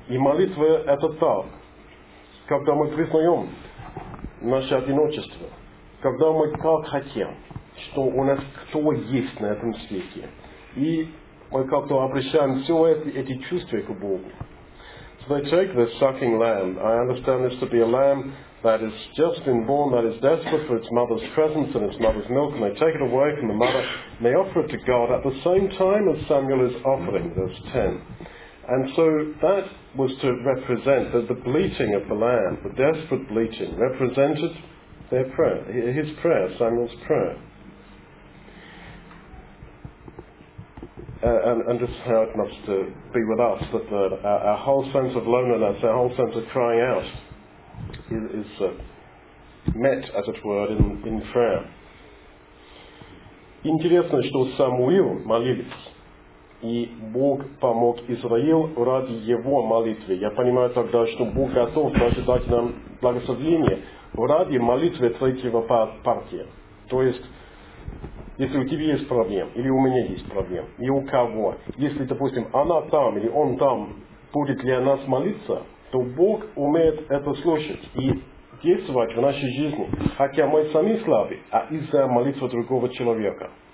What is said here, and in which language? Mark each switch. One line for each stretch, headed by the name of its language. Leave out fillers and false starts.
Russian: И молитва это так. Когда мы признаем наше одиночество, когда мы как хотим, что у нас кто есть на этом свете, и мы как-то обращаем все эти чувства к Богу.
English: So they take this sucking lamb. I understand this to be a lamb that has just been born, that is desperate for its mother's presence and its mother's milk, and they take it away from the mother, and they offer it to God at the same time as Samuel is offering, verse 10. And so that was to represent the bleating of the lamb, the desperate bleating, represented their prayer, his prayer, Samuel's prayer. And this is how it must be with us, that our whole sense of loneliness, our whole sense of crying out is met, as it were, in prayer.
Russian: Интересно, что Самуил молился. И Бог помог Израилю ради его молитвы. Я понимаю тогда, что Бог готов даже дать нам благословение ради молитвы третьего партия. То есть, если у тебя есть проблема, или у меня есть проблема, и у кого, если, допустим, она там, или он там, будет ли она молиться, то Бог умеет это слушать и действовать в нашей жизни, хотя мы сами слабы, а из-за молитвы другого человека.